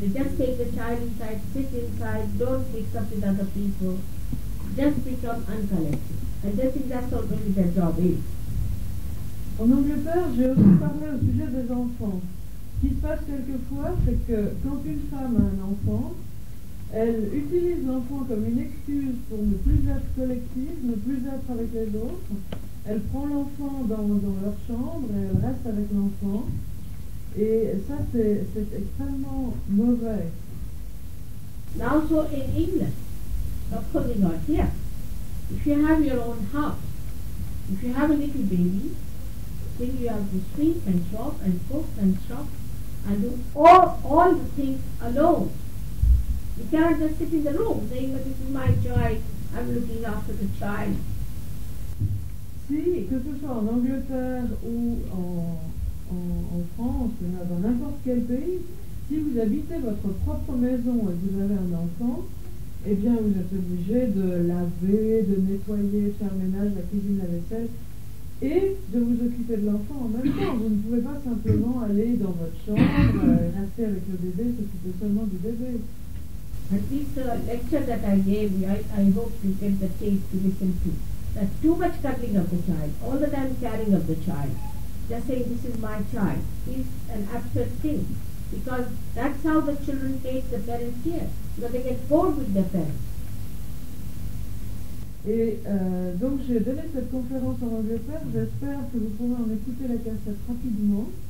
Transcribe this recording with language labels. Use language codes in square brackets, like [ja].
[en] They just take the child inside, sit inside, don't mix up with other people, just become uncollected. And they think that's what really their job is. [fr] En Angleterre, j'ai aussi parlé au sujet des enfants. Ce qui se passe quelquefois, c'est que quand une femme a un enfant, elle utilise l'enfant comme une excuse pour ne plus être collective, ne plus être avec les autres. Elle prend l'enfant dans leur chambre et elle reste avec l'enfant. Et ça, c'est extrêmement mauvais. [en] Now, so in England, of course it's not here. If you have your own house, if you have a little baby, then you have to sweep and shop and cook and shop and do all the things alone. You cannot just sit in the room saying, but this is my joy, I'm looking after the child. [fr] Si, que ce soit en Angleterre ou en France, ou dans n'importe quel pays, si vous habitez votre propre maison et vous avez un enfant, eh bien vous êtes obligé de laver, de nettoyer, de faire ménage, la cuisine, la vaisselle, et de vous occuper de l'enfant en même temps. Vous ne pouvez pas simplement aller dans votre chambre, rester avec le bébé, s'occuper seulement du bébé. [en] But this lecture that I gave you, I hope you get the taste to listen to. That too much cuddling of the child, all the time caring of the child, just saying this is my child, is an absurd thing. Because that's how the children take the parents here. Because they get bored with their parents. [fr] Et donc j'ai donné cette conférence en Angleterre. J'espère que vous pourrez en écouter la cassette rapidement.